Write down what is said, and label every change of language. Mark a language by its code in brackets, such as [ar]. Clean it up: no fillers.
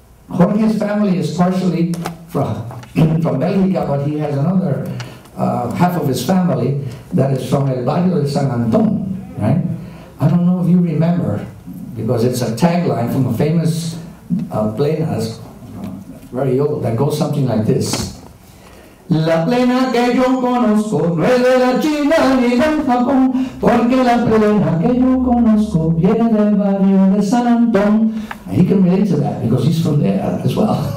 [en] Jorge's family is partially from Bélgica, but he has another half of his family that is from El Barrio de San Antón, right? I don't know if you remember, because it's a tagline from a famous plenas, very old, that goes something like this. [es] La plena que yo conozco no es de la China ni del Japón, porque la plena que yo conozco viene del barrio de San Antón. [en] And he can relate to that, because he's from there as well.